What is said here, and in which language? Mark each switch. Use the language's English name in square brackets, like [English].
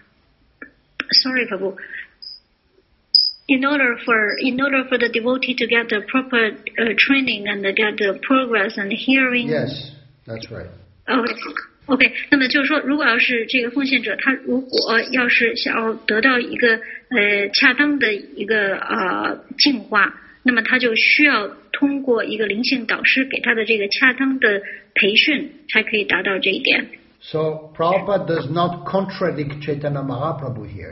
[Chinese] 嗯，那么所以说呢，就是一个人呢，他是需要去得到这个启迪的，然后呢，他为了要能够，就是得到这个逐渐的这种进化，然后呢，去得到一个，sorry，Prabhu。 [English] In order for the devotee to get the proper training and get the progress and hearing. Yes, that's right. Okay. [Chinese] 那么就是说，如果要是这个奉献者，他如果要是想要得到一个恰当的一个进化，那么他就需要通过一个灵性导师给他的这个恰当的培训，才可以达到这一点。 [English] So Prabhupada does not contradict Chaitanya Mahaprabhu here.